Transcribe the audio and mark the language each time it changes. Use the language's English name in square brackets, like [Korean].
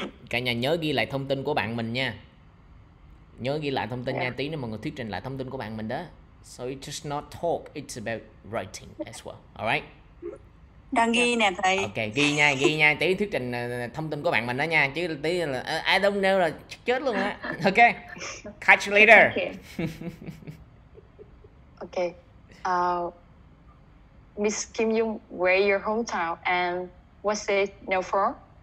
[Vietnamese] cả nhà nhớ ghi lại thông tin của bạn mình nha. Nhớ ghi lại thông tin yeah. nha, tí nữa mọi người thuyết trình lại thông tin của bạn mình đó. [English] So it's just not talk, it's about writing as well, alright? [Vietnamese] Đang ghi nè thầy. Ok, ghi nha, tí thuyết trình thông tin của bạn mình đó nha. Chứ tí là [English] I don't know [Vietnamese] là chết luôn á. [English] Ok, catch you later. Ok, Miss Kim Jung, where is your hometown and what's it known for?